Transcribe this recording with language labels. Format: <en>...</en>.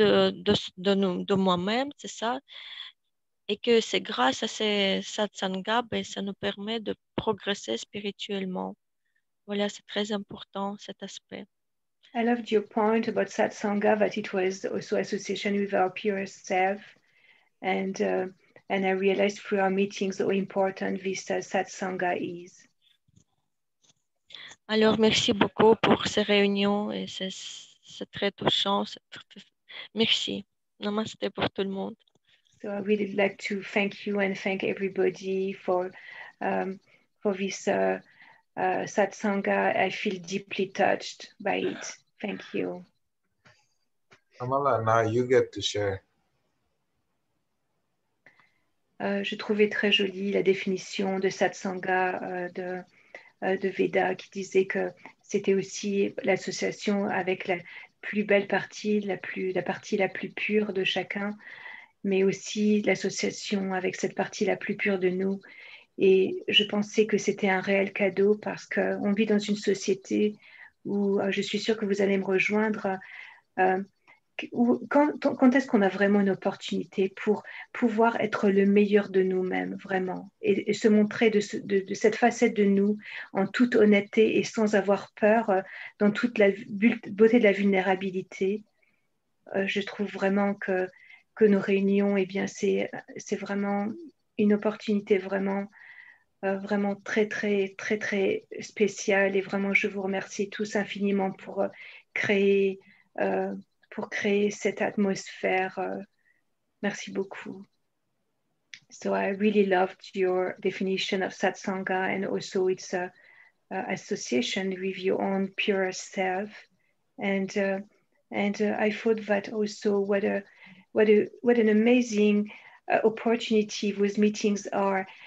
<fr>De moi-même, c'est ça, et que c'est grâce à ces satsanga, ben, ça nous permet de progresser spirituellement. Voilà, c'est très important cet aspect.</fr> <en>I loved your point about satsanga, that it was also association with our pure self, and I realized through our meetings how important this satsanga is.</en> <fr>Alors merci beaucoup pour ces réunions, et c'est très touchant, Merci. Namaste pour tout le monde.</fr> <en>So I would really like to thank you and thank everybody for this satsanga. I feel deeply touched by it. Thank you. Amala, now you get to share.</en> <fr>Je trouvais très jolie la définition de satsanga de Veda qui disait que c'était aussi l'association avec la plus belle partie, la partie la plus pure de chacun, mais aussi l'association avec cette partie la plus pure de nous. Et je pensais que c'était un réel cadeau parce qu'on vit dans une société où, je suis sûre que vous allez me rejoindre, quand est-ce qu'on a vraiment une opportunité pour pouvoir être le meilleur de nous-mêmes, vraiment, et se montrer de cette facette de nous en toute honnêteté et sans avoir peur, dans toute la beauté de la vulnérabilité. Je trouve vraiment que nos réunions, eh bien, c'est vraiment une opportunité vraiment vraiment très, très, très, très spécial. Et vraiment, je vous remercie tous infiniment pour créer cette atmosphère. Merci beaucoup.</fr> <en>So I really loved your definition of satsanga and also its association with your own pure self. And I thought that also what an amazing opportunity those meetings are.</en>